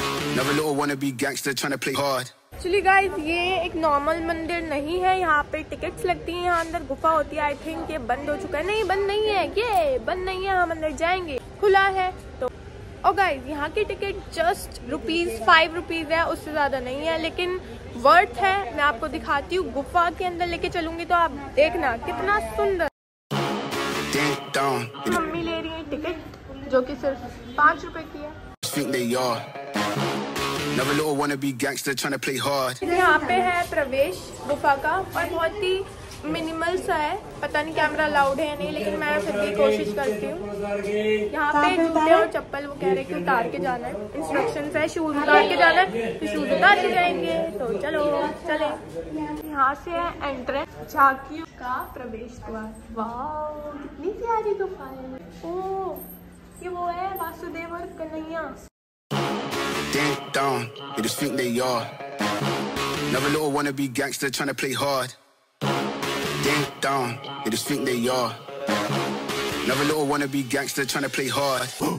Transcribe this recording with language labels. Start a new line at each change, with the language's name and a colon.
English: Another little wannabe gangster trying to play hard. Actually guys,
Hindi: ये एक normal मंदिर नहीं है, यहाँ पे टिकट्स लगती हैं, यहाँ अंदर गुफा होती है।
English: I think
Hindi: ये बंद हो चुका है। नहीं बंद नहीं है, ये बंद नहीं है, हम अंदर जाएंगे, खुला है। तो और गाइज यहाँ की टिकट जस्ट ₹5 है, उससे ज्यादा नहीं है, लेकिन वर्थ है। मैं आपको दिखाती हूँ गुफा के अंदर लेके चलूंगी, तो आप देखना कितना सुंदर। मम्मी ले रही है टिकट जो की सिर्फ ₹5 की है।
English: Another little wannabe gangster trying to play hard.
Hindi: यहाँ पे है प्रवेश गुफा का, और बहुत ही मिनिमल सा है। पता नहीं कैमरा लाउड है या नहीं, लेकिन मैं फिर भी कोशिश करती हूँ। यहाँ पे जूते और चप्पल वो कह रहे कि उतार के जाना है, इंस्ट्रक्शंस है शूज उतार के जाना है, तो शूज उतार के जाएंगे। तो चलो चले। यहाँ से है एंट्रेंस झांकियों का प्रवेश द्वार। वाओ कितनी प्यारी गुफा है। ओ ये वो है वासुदेव और Kanhaiya.
English: Dang down, they just think they are. Another little wannabe gangster trying to play hard. Dang down, they just think they are. Another little wannabe gangster trying to play hard.